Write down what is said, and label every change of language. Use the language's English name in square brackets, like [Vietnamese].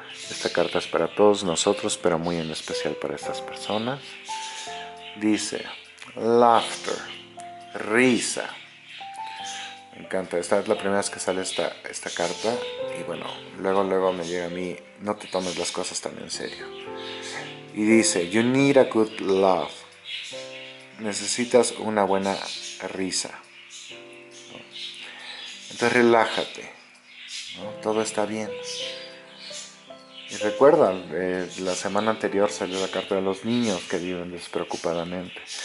[Spanish] Esta carta es para todos nosotros, pero muy en especial para estas personas. Dice, laughter, risa. Me encanta. Esta es la primera vez que sale esta carta. Y bueno, luego me llega a mí, no te tomes las cosas tan en serio. Y dice, [English] you need a good laugh. [Spanish] Necesitas una buena risa. Entonces relájate, ¿no? Todo está bien. Y recuerda, la semana anterior salió la carta de los niños que viven despreocupadamente.